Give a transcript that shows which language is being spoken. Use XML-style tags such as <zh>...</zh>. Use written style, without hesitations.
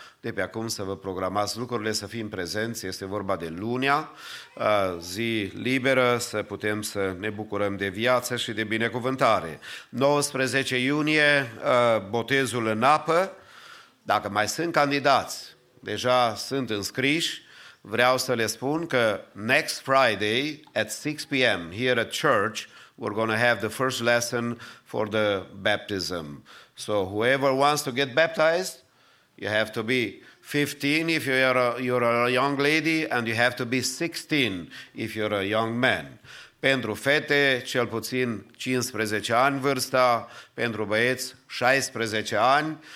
<ro>De pe acum să vă programați lucrurile, să fim prezenți, este vorba de lunea, zi liberă, să putem să ne bucurăm de viață și de binecuvântare. 19 iunie, botezul în apă, dacă mai sunt candidați, deja sunt înscriși, vreau să le spun că</ro> <en>next Friday at 6 p.m. here at church, we're going to have the first lesson for the baptism. So whoever wants to get baptized, you have to be 15 if you're a young lady and you have to be 16 if you're a young man.</en> <ro>Pentru fete, cel puțin 15 ani vârsta, pentru băieți, 16 ani.</ro>